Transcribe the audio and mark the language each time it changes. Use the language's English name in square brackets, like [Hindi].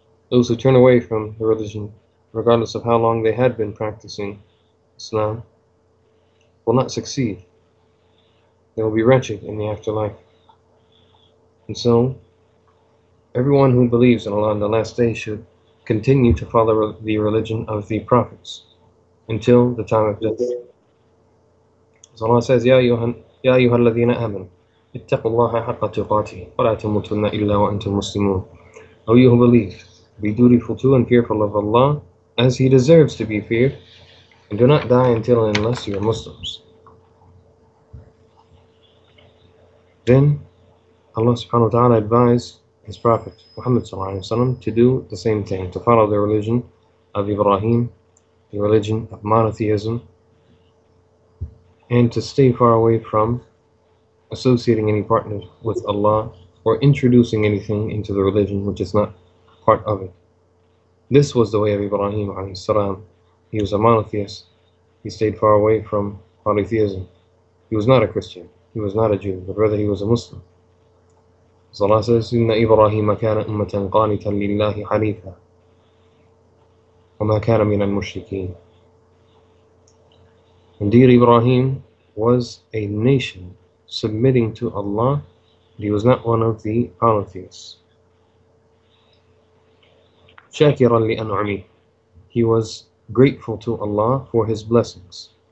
[English] Those who turn away from the religion, regardless of how long they had been practicing Islam, will not succeed. They will be wretched in the afterlife. And so, everyone who believes in Allah on the last day should continue to follow the religion of the prophets until the time of death. So Allah says, Ya Yuhan, [Arabic] يَا أَيُّهَا الَّذِينَ آمَنُوا اتَّقُوا اللَّهَ حَقَّ تُقَاتِهِ وَلَا تَمُوتُنَّ إِلَّا وَأَنْتُمْ مُسْلِمُونَ. [English] O you who believe, be dutiful to and fearful of Allah as He deserves to be feared, and do not die until and unless you are Muslims. Then Allah subhanahu wa ta'ala advised His Prophet Muhammad sallallahu alayhi wa sallam to do the same thing, to follow the religion of Ibrahim, the religion of monotheism, and to stay far away from associating any partners with Allah or introducing anything into the religion which is not part of it. This was the way of Ibrahim alayhi salam. He was a monotheist. He stayed far away from polytheism. He was not a Christian. He was not a Jew, but rather he was a Muslim. So Allah says, [Arabic] إِنَّ إِبْرَاهِيمَ كَانَ أُمَّةً قَانِتًا لِلَّهِ حَنِيفًا وَمَا كَانَ مِنَ الْمُشْرِكِينَ. [English] Indeed, Ibrahim was a nation submitting to Allah, but he was not one of the polytheists. [Arabic] شَاكِرًا لِأَنْعُمِهِ. [English] He was grateful to Allah for his blessings.